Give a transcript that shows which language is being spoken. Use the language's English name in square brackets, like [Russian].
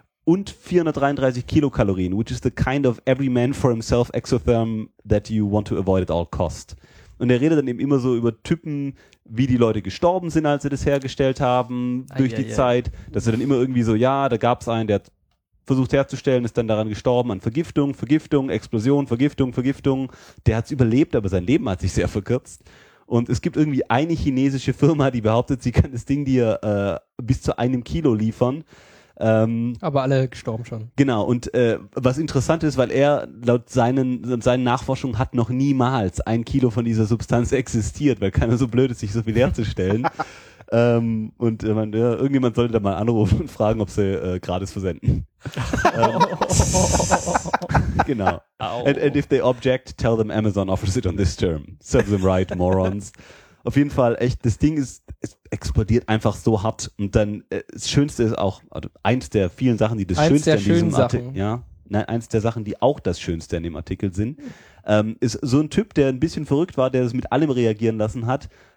[German] Und 433 Kilokalorien, [English] which is the kind of every man for himself exotherm that you want to avoid at all cost. [German] Und er redet dann eben immer so über Typen, wie die Leute gestorben sind, als sie das hergestellt haben, Zeit. Dass er dann immer irgendwie so, ja, da gab es einen, der hat versucht herzustellen, ist dann daran gestorben an Vergiftung, Vergiftung, Explosion, Vergiftung, Vergiftung. Der hat es überlebt, aber sein Leben hat sich sehr verkürzt. Und es gibt irgendwie eine chinesische Firma, die behauptet, sie kann das Ding dir bis zu einem Kilo liefern. Aber alle gestorben schon. Genau, und was interessant ist, weil er laut seinen Nachforschungen hat noch niemals ein Kilo von dieser Substanz existiert, weil keiner so blöd ist, sich so viel herzustellen. und man, ja, irgendjemand sollte da mal anrufen und fragen, ob sie gratis versenden. genau. [English] And if they object, tell them Amazon offers it on this term. Serve them right, morons. [German] Auf jeden Fall, echt, das Ding ist, es explodiert einfach so hart. Und dann, das Schönste ist auch, also eins der vielen Sachen, die das eins Schönste in diesem Artikel, ja, nein, eins der Sachen, die auch das Schönste in dem Artikel sind, ist so ein Typ, der ein bisschen verrückt war, der das mit allem reagieren lassen hat.